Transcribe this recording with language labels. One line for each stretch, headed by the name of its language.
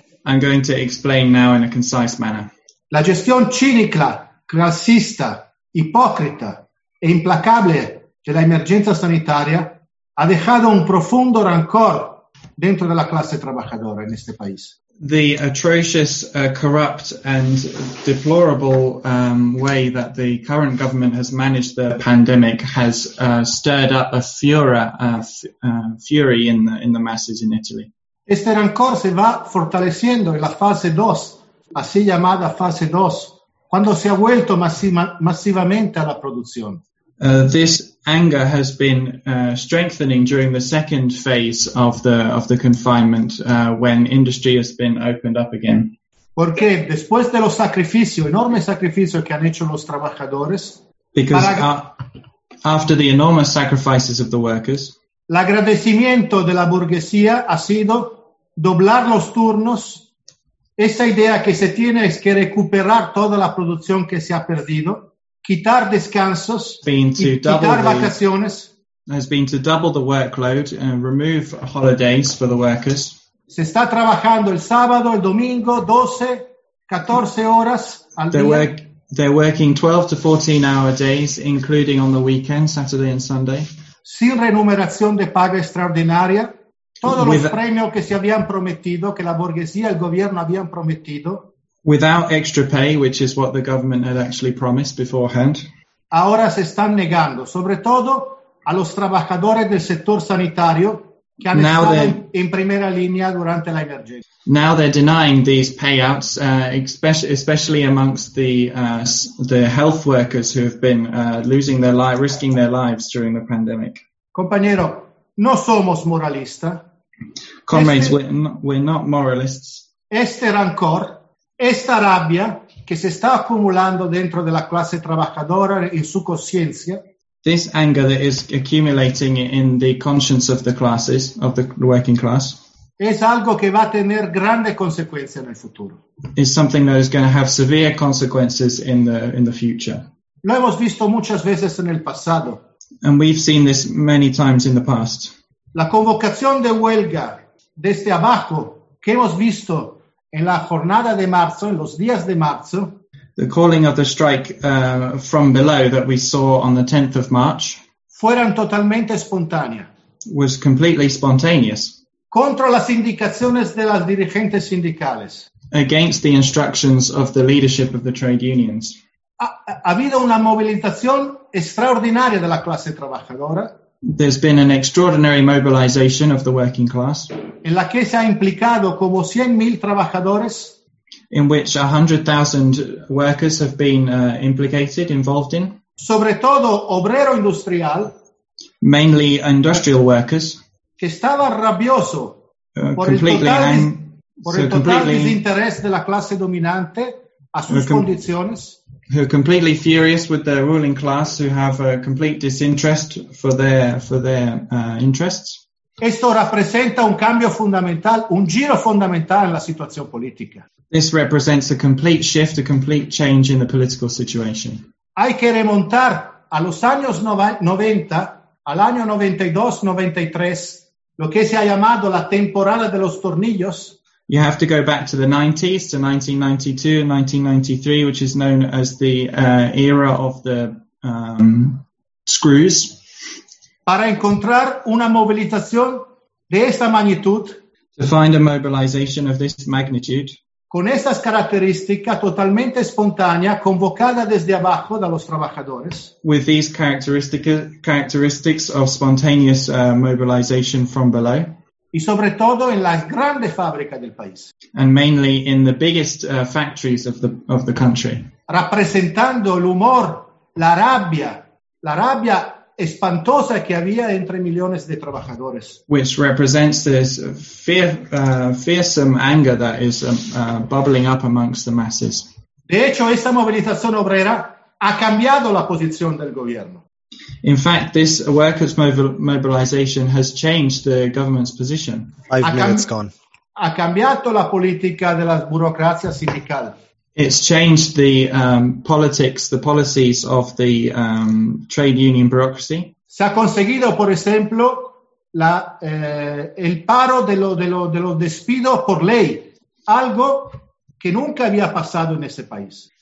English: I'm going to explain now in a concise manner.
Italian: La gestione cinica, classista, ipocrita e implacabile della emergenza sanitaria
Spanish: ha dejado
Italian: un profondo rancor dentro della classe
Spanish: trabajadora in este
Italian: paese.
English: The atrocious, corrupt and deplorable way that the current government has managed the pandemic has stirred up a fury in the masses in Italy.
Spanish: Este rancor se va fortaleciendo en la fase 2, así llamada fase 2, cuando se ha vuelto masivamente a la producción.
English: This anger has been strengthening during the second phase of the confinement when industry has been opened up again.
Spanish: Porque después de los sacrificios, enorme sacrificio que han hecho los trabajadores,
English: because after the enormous sacrifices of the workers,
Spanish: l'agradecimiento de la burguesía ha sido doblar los turnos. Esa idea que se tiene es que recuperar toda la producción que se ha perdido. Quitar descansos,
English: has been to double the workload and remove holidays for the workers.
Spanish: Se está trabajando el sábado, el domingo, 12, 14 horas al día.
English: They're working 12 to 14 hour days, including on the weekend, Saturday and Sunday.
Spanish: sin remuneración de paga extraordinaria, todos los premios que se habían prometido, que la burguesía, el gobierno habían prometido.
English: Without extra pay, which is what the government had actually promised beforehand.
Spanish: Ahora se están negando, sobre todo a los trabajadores del sector sanitario que han
English: now
Spanish: estado en primera línea durante la emergencia.
English: Now they're denying these payouts, especially amongst the health workers who have been losing their life, risking their lives during the pandemic.
Spanish: Compañero, no somos moralistas.
English: Comrades, we're not moralists.
Spanish: Este rancor, esta rabia que se está acumulando dentro de la clase trabajadora en su conciencia.
English: This anger that is accumulating in the conscience of the classes, of the working class.
Spanish: Es algo que va a tener grandes consecuencias en el futuro.
English: Is something that is going to have severe consequences in the future.
Spanish: Lo hemos visto muchas veces en el pasado.
English: And we've seen this many times in the past.
Spanish: La convocación de huelga desde abajo que hemos visto en la jornada de marzo, en los días de marzo.
English: The calling of the strike from below that we saw on the 10th of March.
Spanish: Fueron totalmente espontánea.
English: Was completely spontaneous.
Spanish: Contra las indicaciones de las dirigentes sindicales.
English: Against the instructions of the leadership of the trade unions.
Spanish: Ha habido una movilización extraordinaria de la clase trabajadora.
English: There's been an extraordinary mobilization of the working class.
Spanish: En la que se ha implicado como 100,000 trabajadores.
English: In which 100,000 workers have been implicated, involved in.
Spanish: Sobre todo obrero industrial.
English: Mainly industrial workers.
Spanish: Que estaba rabioso por el total desinterés de la clase dominante a sus condiciones.
English: Who are completely furious with the ruling class, who have a complete disinterest for their interests.
Spanish: Esto representa un cambio fundamental, un giro fundamental en la situación política.
English: This represents a complete shift, a complete change in the political situation.
Spanish: Hay que remontar a los años 90, al año 92-93, lo que se ha llamado la temporada de los tornillos.
English: You have to go back to the 90s, to 1992 and 1993, which is known as the era of the screws.
Spanish: Para encontrar una movilización de esta magnitud.
English: To find a mobilization of this magnitude.
Spanish: Con estas características totalmente espontáneas, convocada desde abajo de los trabajadores.
English: With these characteristics of spontaneous mobilization from below.
Spanish: Y sobre todo en las grandes fábricas del país.
English: And mainly in the biggest factories of the country.
Spanish: Representando el humor, la rabia espantosa que había entre millones de trabajadores.
English: Which represents this fearsome anger that is bubbling up amongst the masses.
Spanish: De hecho, esta movilización obrera ha cambiado la posición del gobierno.
English: In fact, this workers' mobilization has changed the government's position. 5 minutes gone.
Italian: Ha cambiato la politica della burocrazia sindicale.
English: It's changed the politics, the policies of the trade union bureaucracy.
Spanish: Se ha conseguido, por ejemplo, el paro de los despidos por ley, algo que nunca había pasado en ese país.